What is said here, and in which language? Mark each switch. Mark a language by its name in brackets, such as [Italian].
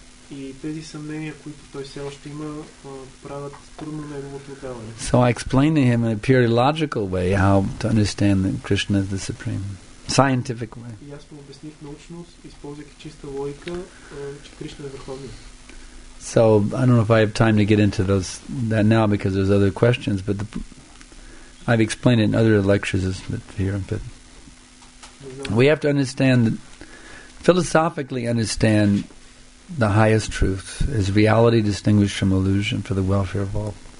[Bulgarian] И тези съмнения, които той все още има, правят трудно неговото отдаване. [English] So I explained to him in a purely logical way how to understand that Krishna is the supreme, scientific way. [Bulgarian] И аз му обясних научно, използвайки чиста логика, че Кришна е върховният. [English] So I don't know if I have time to get into those that now because there's other questions, but I've explained it in other lectures here. But we have to understand, philosophically understand, the highest truth is reality distinguished from illusion for the welfare of all.